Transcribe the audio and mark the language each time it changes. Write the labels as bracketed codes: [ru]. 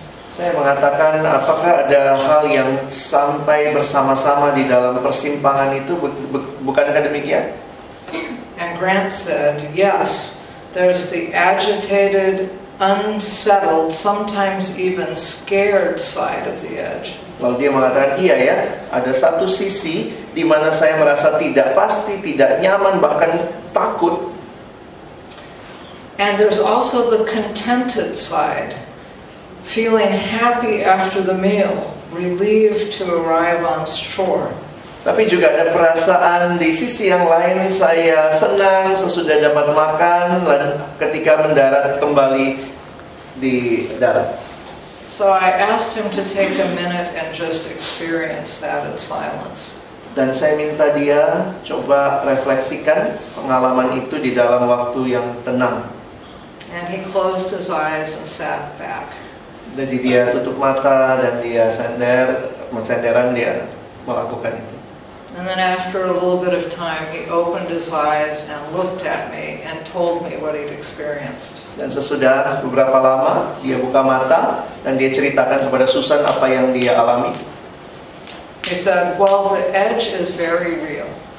[id] Saya mengatakan, apakah ada hal yang sampai bersama-sama di dalam persimpangan itu? Bukankah demikian? [en] And Grant said, yes, there's the agitated, unsettled, sometimes even scared side of the edge. [id] Lalu dia mengatakan, iya ya, ada satu sisi di mana saya merasa tidak pasti, tidak nyaman, bahkan takut. [en] And there's also the contented side, feeling happy after the meal, relieved to arrive on shore. [id] Tapi juga ada perasaan di sisi yang lain, saya senang sesudah dapat makan dan ketika mendarat kembali di darat. [en] So I asked him to take a minute and just experience that in silence. [id] Dan saya minta dia coba refleksikan pengalaman itu di dalam waktu yang tenang. [en] And he closed his eyes and sat back. [id] Jadi dia tutup mata dan dia sendiran dia melakukan itu. [en] And then after a little bit of time, he opened his eyes and looked at me and told me what he'd experienced. [id] Dan sesudah beberapa lama, dia buka mata dan dia ceritakan kepada Susan apa yang dia alami. [en] He said, well, the edge is very real.